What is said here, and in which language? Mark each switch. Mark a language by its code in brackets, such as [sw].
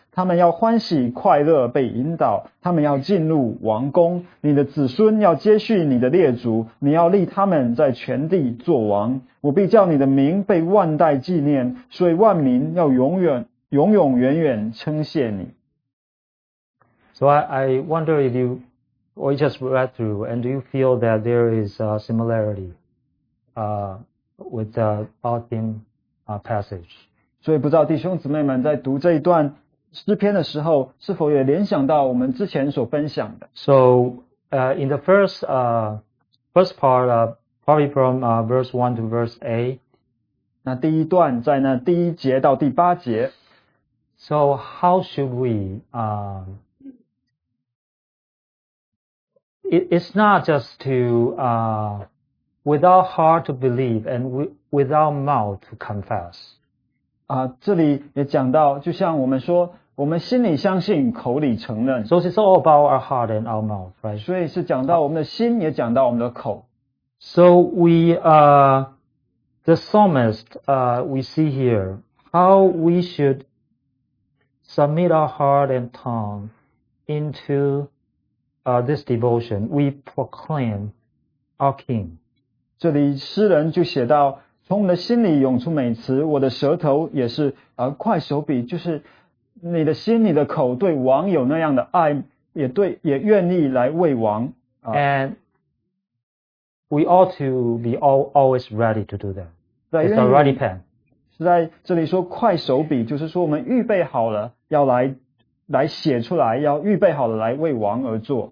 [zh] 他们要欢喜快乐被引导，他们要进入王宫，你的子孙要接续你的列祖，你要立他们在全地作王。我必叫你的名被万代纪念，所以万民要永远永永远远称谢你。 [en] So I wonder if you or you just read through and do you feel that there is a similarity with the autumn passage. [zh] 所以不知道弟兄姊妹们在读这一段诗篇的时候，是否也联想到我们之前所分享的 [en] ？So, in the first part, probably from verse 1 to verse 8. [zh] 那第一段在那第一节到第八节。 [en] So, how should we? It's not just to without heart to believe and without mouth to confess. [zh] 啊，这里也讲到，就像我们说。我们心里相信，口里承认。 [en] So it's all about our heart and our mouth, right? [zh] 所以是讲到我们的心，也讲到我们的口。 [en] So we, the psalmist, we see here how we should submit our heart and tongue into, this devotion. We proclaim our King. [zh] 这里诗人就写到，从我们的心里涌出美词，我的舌头也是，快手笔，就是。你的心你的口对王有那样的爱也对也愿意来为王。 [en] And we ought to be always ready to do that. It's a ready pen. [zh] 是在这里说快手笔就是说我们预备好了要来写出来要预备好了来为王而做。